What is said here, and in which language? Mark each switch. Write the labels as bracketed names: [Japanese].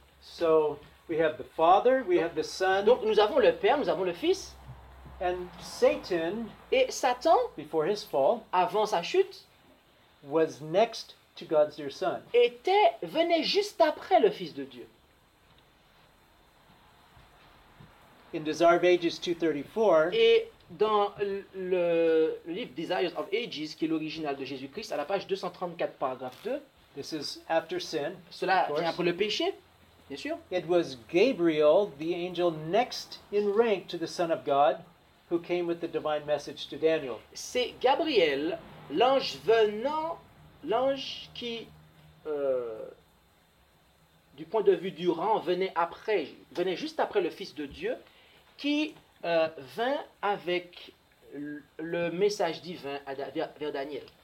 [English] So, we have the Father, we have the Son. [French] Donc, nous avons le Père, nous avons le Fils. [English] And Satan, [French] et Satan, [English] before his fall, [French] avant sa chute, [English] was next to God's dear Son. [French] Venait juste après le Fils de Dieu. [English] In Desire of Ages 234, [French] et dans le livre Desires of Ages, qui est l'original de Jésus-Christ, à la page 234, paragraphe 2, [English] this is after sin, [French] cela vient après le péché, bien sûr. [English] It was Gabriel, the angel next in rank to the Son of God, who came with the divine message to Daniel. [French] C'est Gabriel, l'ange venant. L'ange qui, du point de vue du rang, venait juste après le Fils de Dieu, qui vint avec le message divin vers Daniel.